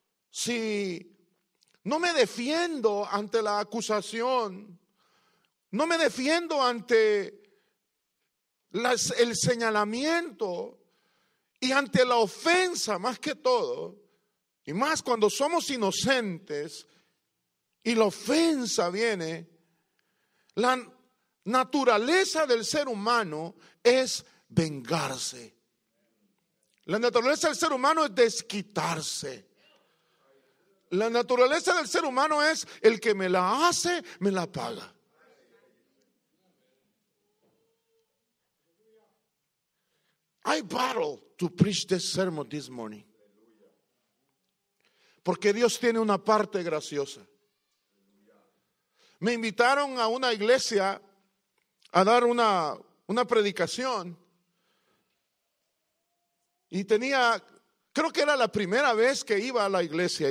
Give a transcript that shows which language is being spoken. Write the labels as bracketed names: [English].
[Spanish] Si no me defiendo ante la acusación, no me defiendo ante el señalamiento y ante la ofensa más que todo, y más cuando somos inocentes y la ofensa viene, la naturaleza del ser humano es vengarse. La naturaleza del ser humano es desquitarse. La naturaleza del ser humano es: el que me la hace, me la paga. [English] I battle to preach this sermon this morning. [Spanish] Porque Dios tiene una parte graciosa. Me invitaron a una iglesia a dar una predicación. Y tenía, creo que era la primera vez que iba a la iglesia.